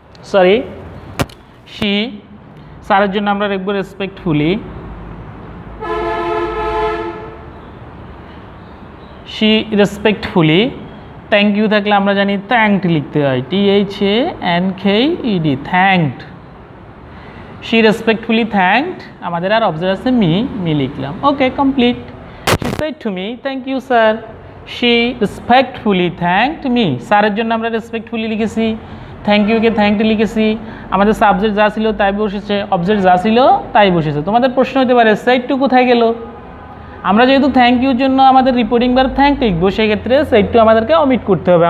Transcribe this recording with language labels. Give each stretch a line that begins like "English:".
Bangla: Sorry, C স্যারের জন্য আমরা রাখবো respectfully, C respectfully. Thank you থাকলে আমরা জানি থ্যাঙ্কড লিখতে হয়, THANKED, thanked.
English: She respectfully thanked,
Bangla: আমাদের আর অবজার আছে মি, মি লিখলাম। ওকে, complete.
English: She said to me, thank you sir. She respectfully thanked me,
Bangla: স্যারের জন্য আমরা রেসপেক্টফুলি লিখেছি, থ্যাংক ইউকে থ্যাঙ্কড লিখেছি। আমাদের সাবজেক্ট যা ছিল তাই বসেছে, অবজেক্ট যা ছিল তাই বসেছে। তোমাদের প্রশ্ন হতে পারে, সেট টু কোথায় গেল? আমরা যেহেতু থ্যাংক ইউর জন্য আমাদের রিপোর্টিং বার থ্যাঙ্ক লিখবো, সেক্ষেত্রে সেট টু আমাদেরকে অমিট করতে হবে।